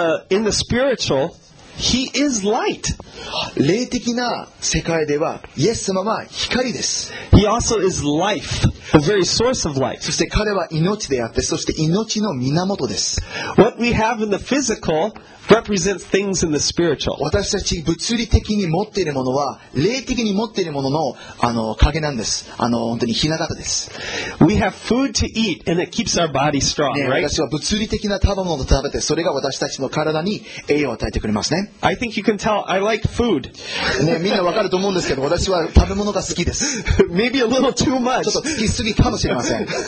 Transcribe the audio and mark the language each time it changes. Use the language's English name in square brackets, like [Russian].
[English] In the spiritual, He is light. [Japanese] 霊的な世界ではイエス様は光です。 [English] He also is life, the very source of life. [Japanese] そして彼は命であって、そして命の源です。 [English] What we have in the physical represents things in the spiritual. [Japanese] 私たち物理的に持っているものは、霊的に持っているものの、影なんです。本当にひな形です。 [English] We have food to eat and it keeps our body strong, right? [Japanese] 私は物理的な食べ物を食べて、それが私たちの体に栄養を与えてくれますね。 [English] I think you can tell I like food. [Japanese] ね、みんなわかると思うんですけど、私は食べ物が好きです。 [English] Maybe a little too much. [Japanese] ちょっと好きすぎかもしれません。